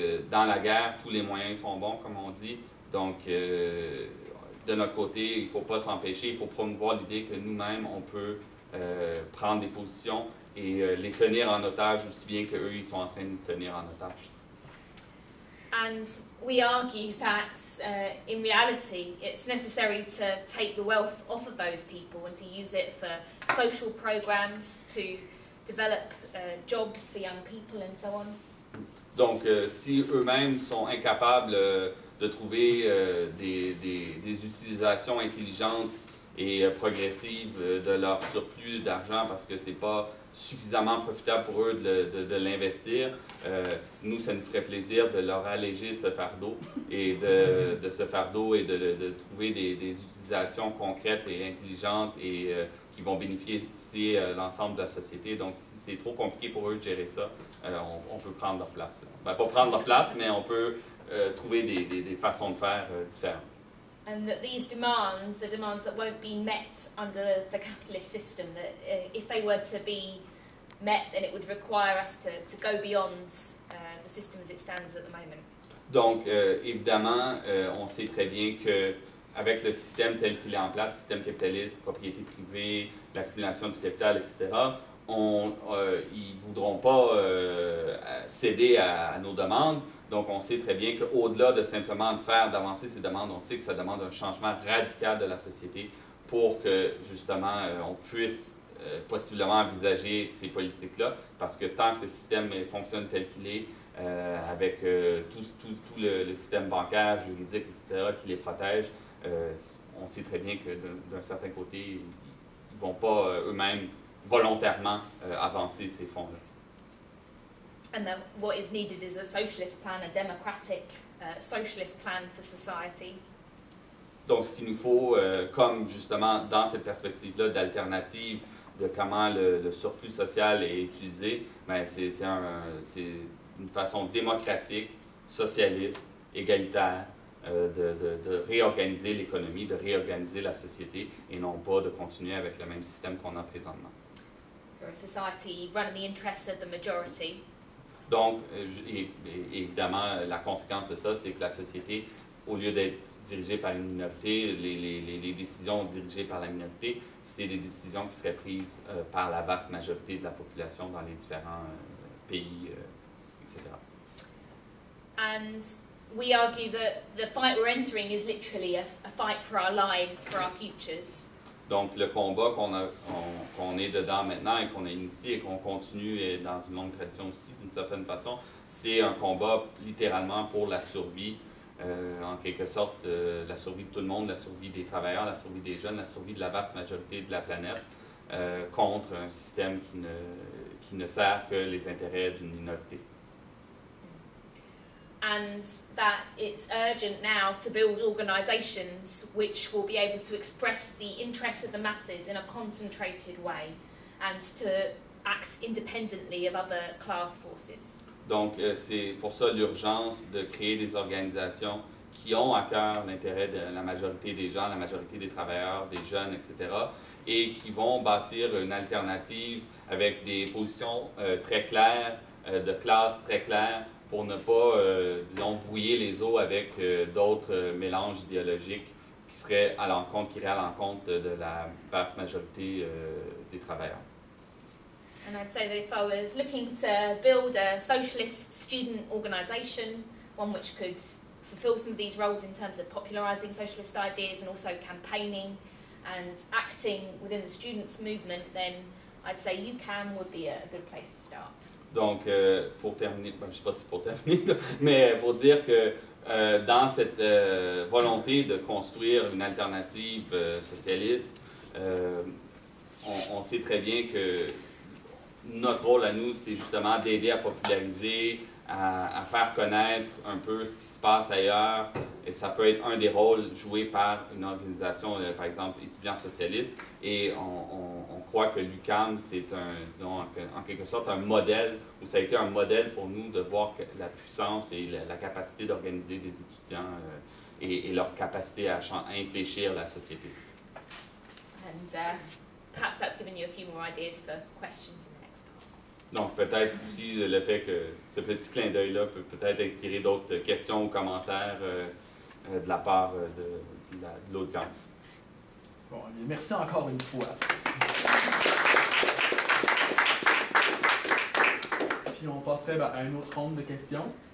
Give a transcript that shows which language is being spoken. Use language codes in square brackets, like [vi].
[fr] Dans la guerre, tous les moyens sont bons, comme on dit. Donc, de notre côté, il ne faut pas s'empêcher, il faut promouvoir l'idée que nous-mêmes, on peut prendre des positions et les tenir en otage aussi bien qu'eux, ils sont en train de tenir en otage. [en] And we argue that in reality, it's necessary to take the wealth off of those people and to use it for social programs, to develop jobs for young people and so on. [fr] Donc, si eux-mêmes sont incapables de trouver des utilisations intelligentes et progressives de leur surplus d'argent parce que c'est pas suffisamment profitable pour eux de l'investir, nous, ça nous ferait plaisir de leur alléger ce fardeau et de ce fardeau et de trouver des utilisations concrètes et intelligentes et qui vont bénéficier l'ensemble de la société. Donc, si c'est trop compliqué pour eux de gérer ça, on peut prendre leur place. Ben, pas prendre leur place, mais on peut trouver des façons de faire différentes. [en] And that these demands are demands that won't be met under the capitalist system, that if they were to be met, then it would require us to go beyond the system as it stands at the moment. [fr] Donc, évidemment, on sait très bien que avec le système tel qu'il est en place, système capitaliste, propriété privée, l'accumulation du capital, etc., ils voudront pas céder à nos demandes. Donc, on sait très bien qu'au-delà de simplement d'avancer ces demandes, on sait que ça demande un changement radical de la société pour que, justement, on puisse possiblement envisager ces politiques-là. Parce que tant que le système fonctionne tel qu'il est, avec tout le système bancaire, juridique, etc., qui les protège, on sait très bien que d'un certain côté, ils ne vont pas eux-mêmes volontairement avancer ces fonds-là. [en] And that what is needed is a socialist plan, a democratic socialist plan for society. [fr] Donc, ce qu'il nous faut, comme justement dans cette perspective-là d'alternative de comment le surplus social est utilisé, ben c'est une façon démocratique, socialiste, égalitaire de réorganiser l'économie, de réorganiser la société, et non pas de continuer avec le même système qu'on a présentement. [en] For a society run in the interests of the majority. [fr] Donc, évidemment, la conséquence de ça, c'est que la société, au lieu d'être dirigée par une minorité, les décisions dirigées par la minorité, c'est des décisions qui seraient prises par la vaste majorité de la population dans les différents pays, etc. [en] And we argue that the fight we're entering is literally a fight for our lives, for our futures. [fr] Donc, le combat qu'on est dedans maintenant et qu'on a initié et qu'on continue dans une longue tradition aussi, d'une certaine façon, c'est un combat littéralement pour la survie, en quelque sorte, la survie de tout le monde, la survie des travailleurs, la survie des jeunes, la survie de la vaste majorité de la planète, contre un système qui ne sert que les intérêts d'une minorité. [en] And that it's urgent now to build organizations which will be able to express the interests of the masses in a concentrated way and to act independently of other class forces. [fr] Donc, c'est pour ça l'urgence de créer des organisations qui ont à cœur l'intérêt de la majorité des gens, la majorité des travailleurs, des jeunes, etc., et qui vont bâtir une alternative avec des positions très claires, de classe très claires, pour ne pas, disons, brouiller les eaux avec d'autres mélanges idéologiques qui seraient à l'encontre, qui iraient à l'encontre de la vaste majorité des travailleurs. [en] And I'd say that if I was looking to build a socialist student organization, one which could fulfill some of these roles in terms of popularizing socialist ideas and also campaigning and acting within the students' movement, then I'd say UQAM would be a good place to start. [fr] Donc, pour terminer, ben, je ne sais pas si c'est pour terminer, mais pour dire que dans cette volonté de construire une alternative socialiste, on sait très bien que notre rôle à nous, c'est justement d'aider à populariser, à faire connaître un peu ce qui se passe ailleurs. Et ça peut être un des rôles joués par une organisation, par exemple, étudiants socialistes. Et on croit que l'UQAM, c'est un, disons, en quelque sorte un modèle, ou ça a été un modèle pour nous de voir que la puissance et la capacité d'organiser des étudiants et leur capacité à infléchir la société. [en] And perhaps that's given you a few more ideas for questions. [fr] Donc, peut-être aussi le fait que ce petit clin d'œil-là peut peut-être inspirer d'autres questions ou commentaires de la part de l'audience. Bon, merci encore une fois. Puis, on passerait à une autre ronde de questions.